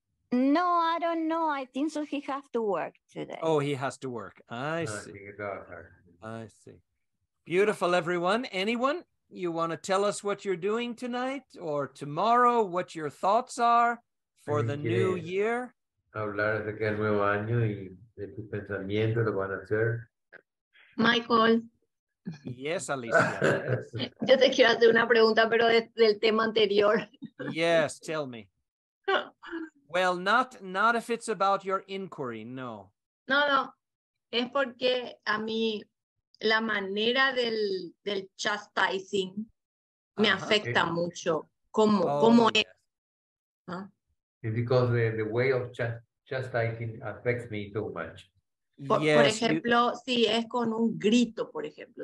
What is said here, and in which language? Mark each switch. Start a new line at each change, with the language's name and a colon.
English: No, I don't know. I think so. He has to work today. Oh, he has to work. I see. Beautiful, everyone. Anyone? You want to tell us what you're doing tonight or tomorrow, what your thoughts are for the new year?
Spanish: Hablar de que el nuevo año y de tu pensamiento lo van a hacer.
English: Michael. Yes, Alicia.
Spanish: Yo te quiero hacer una pregunta, pero del tema anterior.
English: Yes, tell me. Well, not if it's about your inquiry, no.
Spanish: No. Es porque a mí... la manera del chastising me afecta mucho. ¿Cómo es? Huh?
English: It's because the way of chastising affects me too much.
Spanish: Por ejemplo, si es con un grito, por ejemplo.